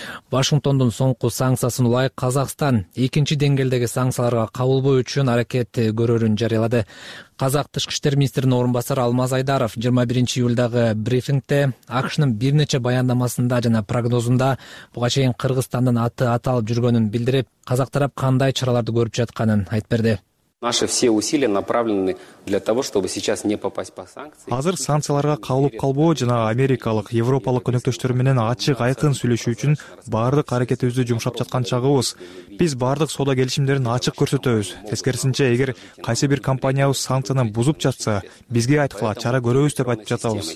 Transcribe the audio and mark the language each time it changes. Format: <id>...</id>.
<ky>Вашингтондун соңку санкциясына улай Казакстан экинчи деңгээлдеги санкцияларга кабылбоо үчүн аракет көрөрүн жарыялады. Казак тышкы иштер министринин орун басары Алмаз Айдаров 21-июлдагы брифингде АКШнын бир нече баяндамасында жана прогнозунда буга чейин Кыргызстандын аты аталып жүргөнүн билдирип, казак тарап кандай чараларды көрүп жатканын айтып берди.</ky> <ru>Наши все усилия направлены для того, чтобы сейчас не попасть по санкциям.</ru> <ky>Азыр санкцияларга кабылып калбоо жана америкалык, европалык көнөктөштөр менен ачык айкын сүйлөшүү үчүн бардык аракетибизди жумшап жаткан чагыбыз. Биз бардык соода келишимдерин ачык көрсөтөбүз. Тескерисинче, эгер кайсы бир компаниябыз санкцияны бузуп жатса, бизге айткыла чара көрөбүз деп айтып жатабыз.</ky>